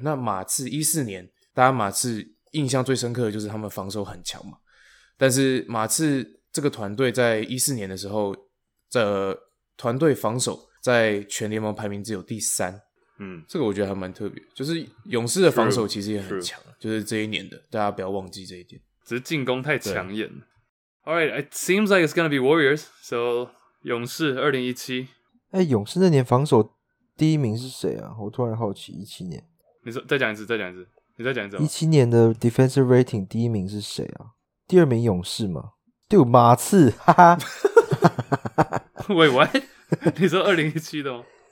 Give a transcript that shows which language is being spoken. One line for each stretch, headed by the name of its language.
Chinese: 那马刺14年，大家马刺印象最深刻的就是他们防守很强嘛。但是马刺这个团队在14年的时候的团队防守在全联盟排名只有第三，嗯，这个我觉得还蛮特别，就是勇士的防守其实也很强，就是这一年的，大家不要忘记这一点，只是进攻太抢眼了。
English: Alright, it seems like it's gonna be Warriors, so 勇士2017。
Chinese: 欸，勇士那年防守第一名是谁啊？我突然好奇。17年你说，再讲一次 17年的 defensive rating 第一名是谁啊？第二名勇士吗？对，马刺，哈哈。
English: Wait, what？
Chinese: 你说2017的吗？